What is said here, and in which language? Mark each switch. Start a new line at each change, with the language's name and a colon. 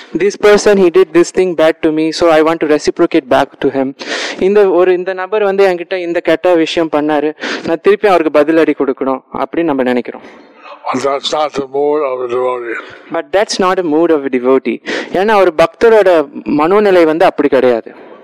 English: This person, he did this thing bad to me, so I want to reciprocate back to him.
Tamil: இந்த நபர் வந்து என்கிட்ட இந்த கெட்ட விஷயம் பண்ணாரு, நான் திருப்பி அவருக்கு பதில் அடி கொடுக்கணும் அப்படின்னு நம்ம நினைக்கிறோம்.
English: But that's not a mood of a devotee.
Tamil: ஏன்னா ஒரு பக்தரோட மனோநிலை வந்து அப்படி கிடையாது.